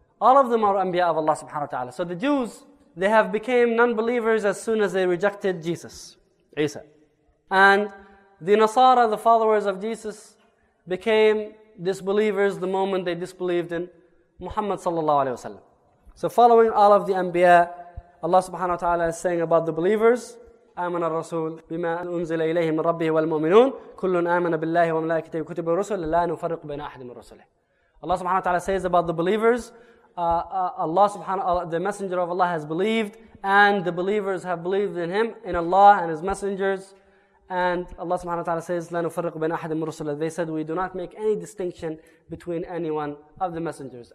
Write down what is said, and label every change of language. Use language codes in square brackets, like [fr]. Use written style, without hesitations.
[en] All of them are anbiya of Allah subhanahu wa ta'ala. So the Jews, they have become non-believers as soon as they rejected Jesus, Isa. And the Nasara, the followers of Jesus, became disbelievers the moment they disbelieved in Muhammad sallallahu alayhi wa sallam. So following all of the anbiya, Allah subhanahu wa ta'ala is saying about the believers, [ar] آمَنَ الرَّسُولُ بِمَا أُنزِلَ إِلَيْهِ مِنْ رَبِّهِ وَالْمُؤْمِنُونَ كُلٌّ آمَنَ بِاللَّهِ وَمَلَائِكَتِهِ وَكُتُبِهِ وَرُسُلِهِ لَا نُفَرِّقُ بَيْنَ أَحَدٍ مِنْ رُسُلِهِ. [en] Allah subhanahu wa ta'ala says about the believers, the messenger of Allah has believed, and the believers have believed in him, in Allah and his messengers. And Allah subhanahu wa ta'ala says, [ar] لَا نُفَرِّقُ بَيْنَ أَحَدٍ مِنْ رُسُلِهِ. [en] They said, we do not make any distinction between anyone of the messengers.